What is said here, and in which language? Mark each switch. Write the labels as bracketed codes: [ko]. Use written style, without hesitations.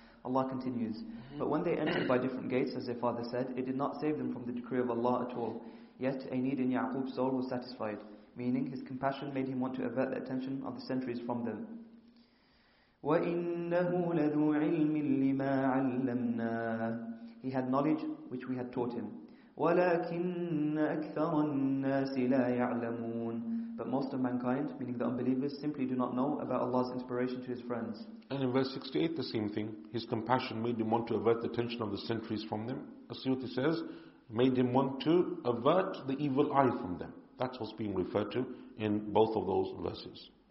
[en] Allah continues, but when they entered by different gates, as their father said, it did not save them from the decree of Allah at all. Yet a need in Ya'qub's soul was satisfied, meaning his compassion made him want to avert the attention of the sentries from them. [ar] وَإِنَّهُ لَذُو عِلْمٍ لِمَا عَلَّمْنَاهُ [en] He had knowledge which we had taught him. [ar] ولكن أكثر الناس لا يعلمون. [en] But most of mankind, meaning the unbelievers, simply do not know about Allah's inspiration to his friends. And in verse 68, the same thing. His compassion made him want to avert the attention of the sentries from them. As-Suyuti says, made him want to avert the evil eye from them. That's what's being referred to in both of those verses.